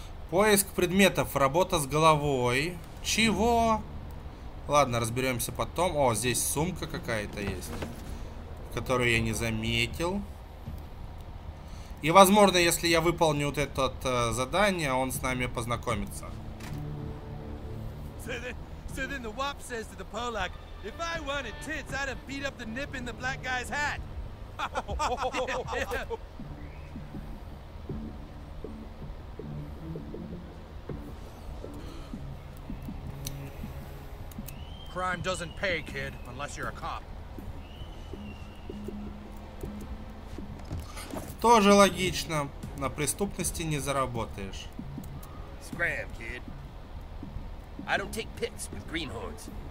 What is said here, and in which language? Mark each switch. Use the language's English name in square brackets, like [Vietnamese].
[Russian] Поиск предметов, работа с головой. Чего? Ладно, разберемся потом. О, здесь сумка какая-то есть, которую я не заметил. И, возможно, если я выполню вот это задание, он с нами познакомится. [English] So then the wop says to the Polak, if I wanted tits, I'd have beat up the nip in the black guy's hat. Crime doesn't pay, kid, unless you're a cop. [Russian] Тоже логично. На преступности не заработаешь. [English] Scram, kid. I don't take pics with greenhorns.